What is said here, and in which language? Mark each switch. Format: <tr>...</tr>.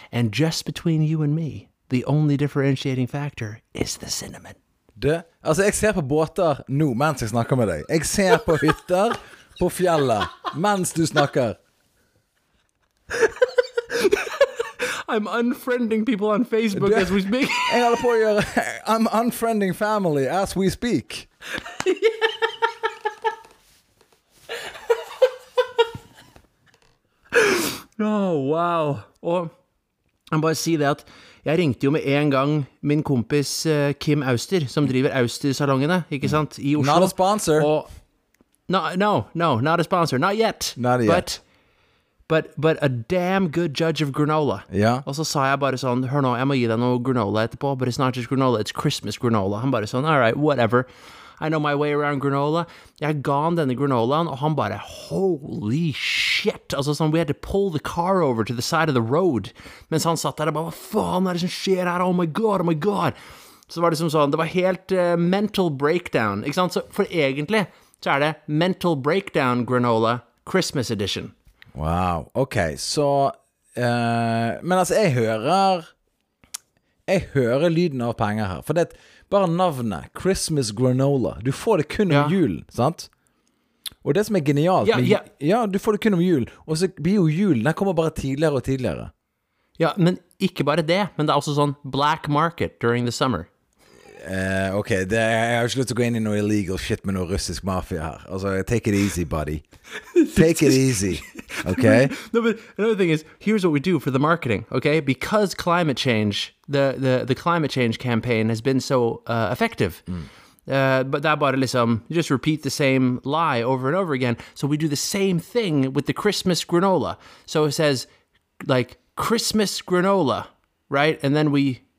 <en>And just between you and me, the only differentiating factor is the cinnamon.</en> <no>Det, altså, jeg ser på båter nå mens jeg snakker med deg. Jeg ser på hytter på fjellet mens du snakker.</no> <en>I'm unfriending people on Facebook as we speak.</en> <no>Jeg holder på å gjøre,</no> <en>I'm unfriending family as we speak.</en> <no>Oh, wow. Og jeg må bare si det at jeg ringte jo med en gang min kompis Kim Auster, som driver Auster-salongene, ikke sant, I Oslo.</no> <en>Not a sponsor.</en> <no>Og,</no> <en>no, not a sponsor. Not yet. But a damn good judge of granola. Yeah.</en> <no>Og så sa jeg bare sånn, hør nå, jeg må gi deg noe granola etterpå,</no> <en>but it's not just granola, it's Christmas granola.</en> <no>Han bare sånn,</no> <en>all right, whatever. I know my way around granola.</en> <no>Jeg ga han denne granolaen, og han bare,</no> <en>holy shit.</en> <no>Altså sånn,</no> <en>we had to pull the car over to the side of the road.</en> <no>Mens han satt der og bare, hva faen det som skjer her?</no> <en>Oh my god.</en> <no>Så var det som sånn, det var helt</no> <en>mental breakdown. Ikke sant? Så for egentlig, så det mental breakdown granola, Christmas edition.</en> <no>Wow, ok. Så, men altså, jeg hører lyden av penger her. For det bare navnet, Christmas granola. Du får det kun om jul, sant? Og det som genialt, du får det kun om jul. Og så blir jo julen, den kommer bare tidligere og tidligere. Ja, men ikke bare det, men det også sånn</no> <en>black market during the summer.</en> <no>Ok, det, jeg har ikke lyst til å gå inn I noe illegal shit med noe russisk mafia her. Altså,</no> <en>take it easy, buddy. Take it easy, ok? No, but another thing is, here's what we do for the marketing, ok? Because climate change, the climate change campaign has been so effective. But that</en> <no>bare liksom,</no> <en>you just repeat the same lie over and over again. So we do the same thing with the Christmas granola. So it says, like, Christmas granola, right? And then we...</en>